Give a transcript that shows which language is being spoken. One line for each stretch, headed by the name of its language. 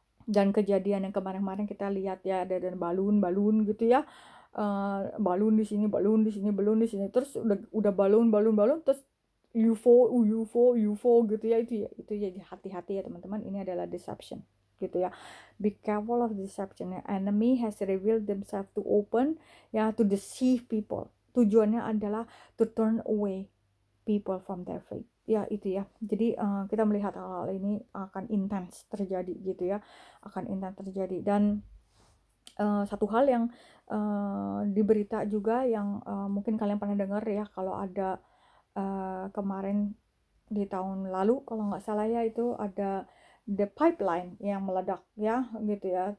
Indonesian: Dan kejadian yang kemarin-kemarin kita lihat ya, ada balun-balun gitu ya. Balun di sini, balun di sini, balun di sini, terus udah balun-balun-balun, terus UFO gitu ya. Itu ya, hati-hati ya teman-teman, ini adalah deception gitu ya.
English: Be careful of deception. The enemy has revealed themselves to open ya, to deceive people.
Indonesian: Tujuannya adalah
English: to turn away people from their faith.
Indonesian: Ya, itu ya. Jadi kita melihat hal-hal ini akan intens terjadi gitu ya. Akan intens terjadi. Dan satu hal yang diberita juga yang mungkin kalian pernah dengar ya, kalau ada kemarin di tahun lalu kalau nggak salah ya, itu ada the pipeline yang meledak ya gitu ya.